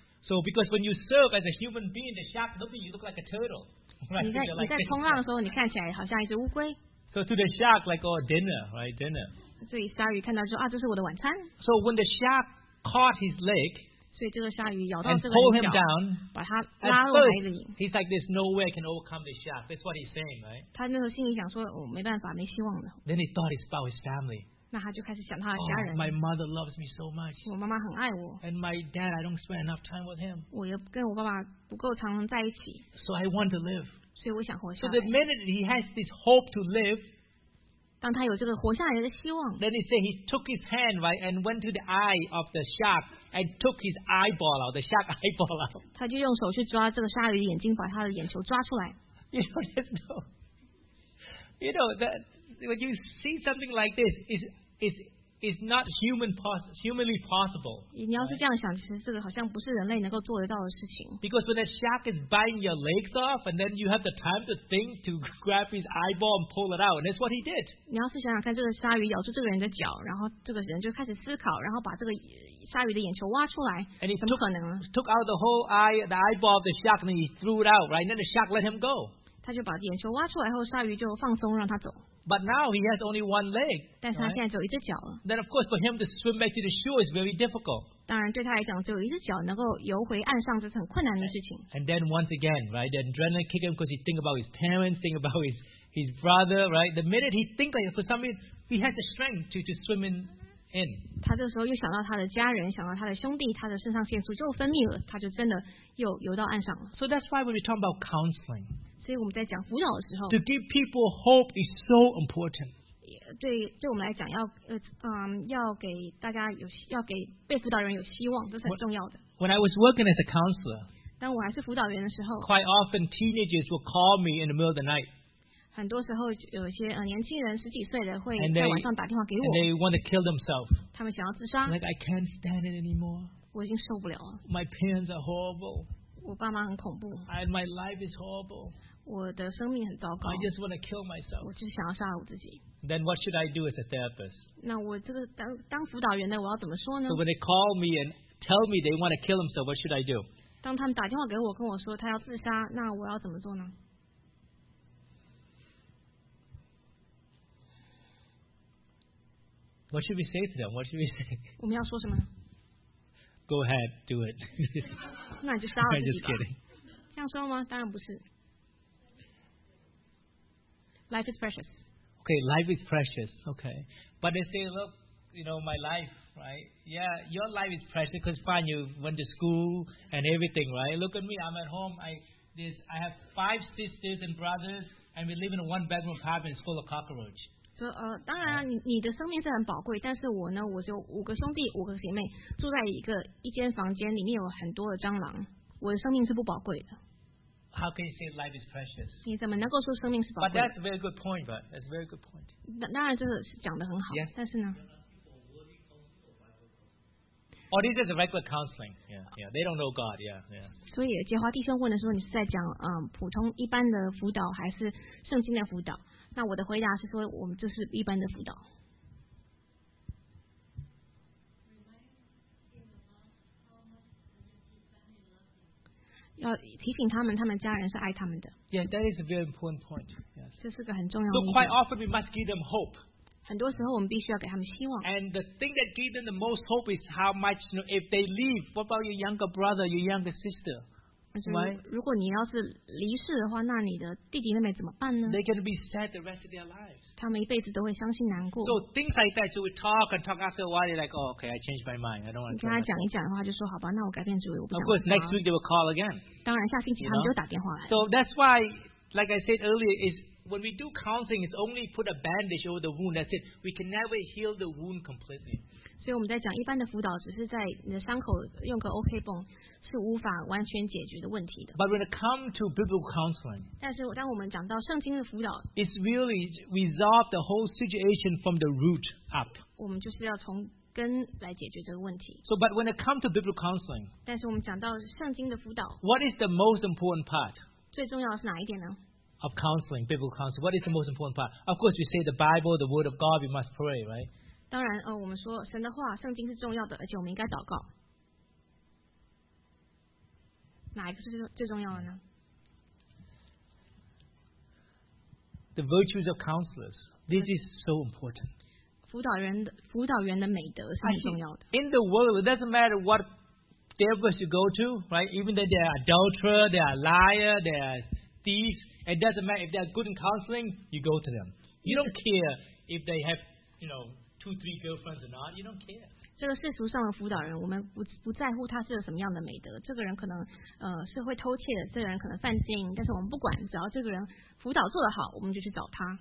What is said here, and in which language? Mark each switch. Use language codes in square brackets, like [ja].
[en] So because when you surf as a human being, the shark looks at you look like a turtle. [zh] 你在冲浪的时候，你看起来好像一只乌龟。 [en] So to the shark, like, oh, dinner, right, dinner. [zh] 所以鲨鱼看到说啊，这是我的晚餐。 [en] So when the shark caught his leg, [zh] 所以这个鲨鱼咬到这个鱼角 [en] down, [zh] 把它拉入海里 [en] He's like, there's no way I can overcome this shark. That's what he's saying, right? [zh] 他那时候心里想说、哦、没办法没希望了 [en] Then he thought it's about his family. [zh] 那他就开始想他的家人、 [en] oh, My mother loves me so much. [zh] 我妈妈很爱我 [en] And my dad, I don't spend enough time with him. [zh] 我也跟我爸爸不够常常在一起 [en] So I want to live. [zh] 所以我想活下来 [en] So the minute he has this hope to live, [zh] 当他有这个活下来的希望 [en] Then he said he took his hand right and went to the eye of the shark and took his eyeball out, the shark eyeball out. [zh] 他就用手去抓这个鲨鱼眼睛，把他的眼球抓出来。 [en] You know, there's no, you know that when you see something like this, is not humanly possible. [zh] 你要是这样想，其实这个好像不是人类能够做得到的事情。 [en] Because when a shark is biting your legs off, and then you have the time to think to grab his eyeball and pull it out, and that's what he did. [zh] 你要是想想看，这个鲨鱼咬住这个人的脚，然后这个人就开始思考，然后把这个鲨鱼的眼球挖出来，怎么可能呢？ [en] Took out the whole eye, the eyeball of the shark, and he threw it out, right? And then the shark let him go. [zh] 他就把眼球挖出来后，鲨鱼就放松，让他走。 [en] But now he has only one leg. [zh] 但是他现在只有一只脚了。 [en] Right? Then of course for him to swim back to the shore is very difficult. [zh] 当然对他来讲，只有一只脚能够游回岸上，这是很困难的事情。 [en] And then once again, right? The adrenaline kicks him because he thinks about his parents, thinks about his brother, right? The minute he thinks like for some reason he has the strength to swim in. [zh] 他这时候又想到他的家人，想到他的兄弟，他的肾上腺素又分泌了，他就真的又游到岸上了。 [en] So that's why when we talk about counseling. [zh] 所以我们在讲辅导的时候 [en] To give people hope is so important [zh] 对我们来讲 要给大家有要给被辅导人有希望这是很重要的 [en] When I was working as a counselor [zh] 当我还是辅导员的时候 [en] Quite often teenagers will call me in the middle of the night [zh] 很多时候有些年轻人十几岁的会在晚上打电话给我 [en] And they want to kill themselves [zh] 他们想要自杀 [en] Like I can't stand it anymore [zh] 我已经受不了了 [en] My parents are horrible [zh] 我爸妈很恐怖 [en] And my life is horrible [zh] 我的生命很糟糕 [en] I just want to kill myself [zh] 我就是想要杀了我自己 [en] Then what should I do as a therapist? [zh] 那我这个 当辅导员呢我要怎么说呢 [en] So when they call me and tell me they want to kill themselves what should I do? [zh] 当他们打电话给我跟我说他要自杀那我要怎么做呢 [en] What should we say to them? What should we say? [zh] 我们要说什么 [en] Go ahead, do it. [zh] 那就杀了自己吧。 [en] I'm just kidding. [zh] 这样说吗？当然不是。 [en] Life is precious. Okay, life is precious. Okay, but they say, look, you know, my life, right? Yeah, your life is precious because fine, you went to school and everything, right? Look at me, I'm at home. I have five sisters and brothers, and we live in a one-bedroom apartment full of cockroach. [zh] 当然、啊、你的生命是很宝贵但是我呢我就五个兄弟五个姐妹住在一间房间里面有很多的蟑螂我的生命是不宝贵的 [en] How can you say life is precious? [zh] 你怎么能够说生命是宝贵 [en] But that's a very good point, but that's a very good point. [zh] 当然这个讲得很好、 [en] yes. [zh] 但是呢 [en] Or this is a regular counseling. Yeah, yeah. They don't know God. Yeah, yeah. [zh] 所以杰华弟兄问的时候你是在讲、普通一般的辅导还是圣经的辅导那我的回答是说，我们这是一般的辅导。要提醒他们，他们家人是爱他们的。 [en] Yeah, that is a very important point. Yes. [zh] 这是个很重要的。 [en] So quite often we must give them hope. [zh] 很多时候我们必须要给他们希望。 [en] And the thing that gives them the most hope is how much, you know, if they leave, what about your younger brother, your younger sister? [zh] 如果你要是离世的话，那你的弟弟妹妹怎么办呢 [en] ？They're going to be sad the rest of their lives. [zh] 他们一辈子都会伤心难过。 [en] So things like that, so we talk and talk after a while. They're like, oh, okay, I changed my mind. I don't want to. [zh] 你跟他讲一讲的话，就说好吧，那我改变主意，我不想。 [en] Of course, next week they will call again. [zh] 当然，下星期他们就打电话来。 [en] So that's why, like I said earlier, is when we do counseling, it's only put a bandage over the wound. That's it. We can never heal the wound completely. [zh] 所以我们在讲一般的辅导只是在你的伤口用个 OK 绷是无法完全解决的问题的 [en] But when it comes to biblical counseling [zh] 但是当我们讲到圣经的辅导 [en] It's really resolve the whole situation from the root up [zh] 我们就是要从根来解决这个问题 [en] So but when it comes to biblical counseling [zh] 但是我们讲到圣经的辅导 [en] What is the most important part [zh] 最重要的是哪一点呢 [en] Of counseling, biblical counseling What is the most important part Of course we say the Bible, the word of God, we must pray, right? [zh] 当然，我们说神的话，圣经是重要的，而且我们应该祷告。哪一个是最重要的呢 [en] ？The virtues of counselors. This is so important. [zh] 辅导员的美德是很重要的。 [en] In the world, it doesn't matter what devils you go to, right? Even though they are adulterer, they are liar, they are thieves, it doesn't matter if they are good in counseling, you go to them. You don't care if they have, you know, two, three girlfriends or not, you don't care. [zh] 这个世俗上的辅导人，我们 不在乎他是有什么样的美德。这个人可能是会偷窃的，这个人可能犯奸淫，但是我们不管，只要这个人辅导做得好，我们就去找他。